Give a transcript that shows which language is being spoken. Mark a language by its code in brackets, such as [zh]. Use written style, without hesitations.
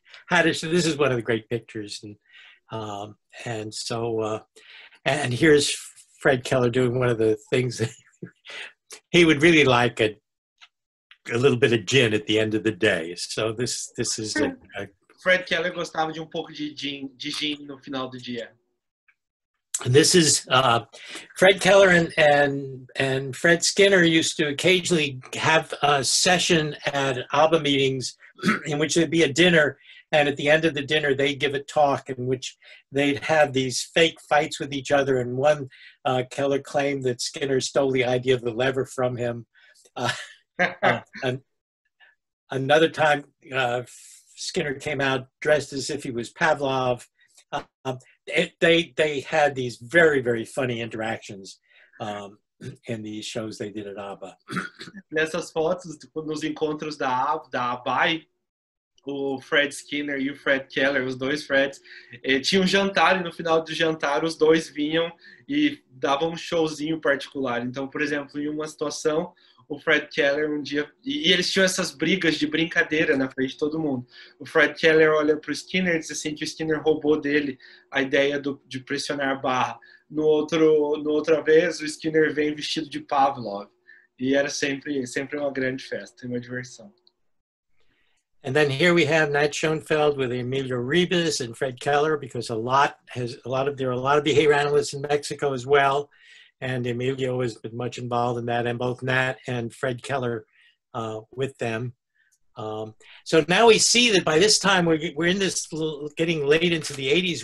[en] This is one of the great pictures, and here's Fred Keller doing one of the things that he would really like a little bit of gin at the end of the day. So this is [pt] Fred Keller gostava de um pouco de gin no final do dia. [en] And this is Fred Keller and Fred Skinner used to occasionally have a session at ABBA meetings in which there'd be a dinner, and at the end of the dinner they'd give a talk in which they'd have these fake fights with each other, and one Keller claimed that Skinner stole the idea of the lever from him. another time Skinner came out dressed as if he was Pavlov. They had these very, very funny interactions in these shows they did at ABBA. [pt] Nessas fotos, nos encontros da ABBA, o Fred Skinner e o Fred Keller, os dois Freds, tinham um jantar e no final do jantar os dois vinham e davam um showzinho particular. Então, por exemplo, em uma situação, o Fred Keller um dia... E eles tinham essas brigas de brincadeira na frente de todo mundo. O Fred Keller olha para o Skinner e diz assim que o Skinner roubou dele a ideia de pressionar a barra. No outra vez, o Skinner vem vestido de Pavlov. E era sempre uma grande festa, uma diversão. [en] And then here we have Nat Schoenfeld with Emilio Ribas and Fred Keller, because there are a lot of behavior analysts in Mexico as well. And Emilio has been much involved in that, and both Nat and Fred Keller with them. So now we see that by this time we're in this getting late into the 80s.